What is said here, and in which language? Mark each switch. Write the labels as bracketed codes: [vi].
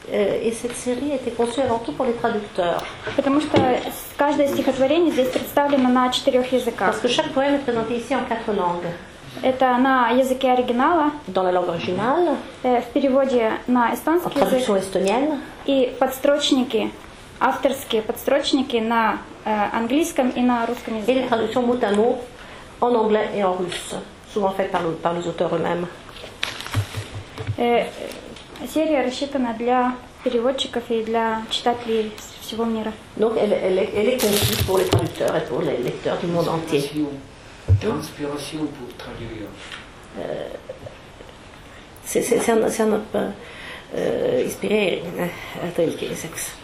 [fr] Et cette série était conçue avant tout pour les traducteurs. [ru] Потому что каждое стихотворение здесь представлено на 4 языках. [fr] Parce que chaque poème est présenté ici en 4 langues. [ru] Это на языке оригинала. [fr] Dans la langue originale. [ru] В переводе на эстонский язык. [fr] En traduction estonienne. [ru] И подстрочники, авторские подстрочники на английском и на русском языке. [fr] Et les traductions mot à mot en anglais et en russe, souvent faites par les auteurs eux-mêmes. [ru] Серия рассчитана для переводчиков и для читателей всего мира. [fr] Donc elle est conçue pour les traducteurs et pour les lecteurs du monde entier. Transpiration pour traduire. C'est un inspiré à tel qu'il est sexe.